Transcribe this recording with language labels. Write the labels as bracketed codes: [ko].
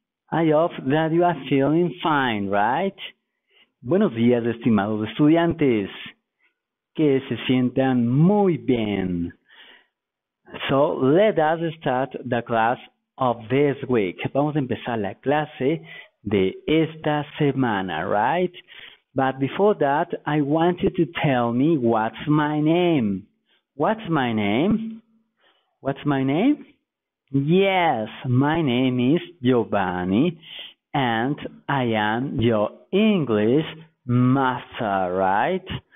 [en] I hope that you are feeling fine, right? [es] Buenos días, estimados estudiantes. Que se sientan muy bien. [en] So, let us start the class of this week. [es] Vamos a empezar la clase de esta semana, right? [en] But before that, I want you to tell me what's my name? Yes, my name is Giovanni, and I am your English master, right?